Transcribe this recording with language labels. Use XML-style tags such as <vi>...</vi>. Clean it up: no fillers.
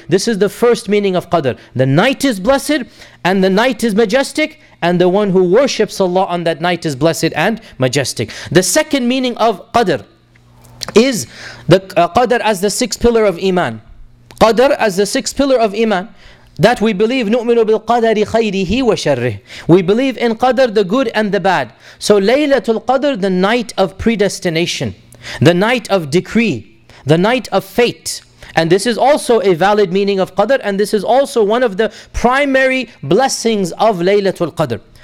<en>This is the first meaning of Qadr. The night is blessed and the night is majestic, and the one who worships Allah on that night is blessed and majestic. The second meaning of Qadr is the Qadr as the sixth pillar of Iman. Qadr as the sixth pillar of Iman. That we believe,</en> <ar>نُؤْمِنُ بِالْقَدَرِ خَيْرِهِ وَشَرِّهِ.</ar> <en>We believe in Qadr, the good and the bad. So Laylatul Qadr, the night of predestination, the night of decree, the night of fate. And this is also a valid meaning of Qadr, and this is also one of the primary blessings of Laylatul Qadr.</en>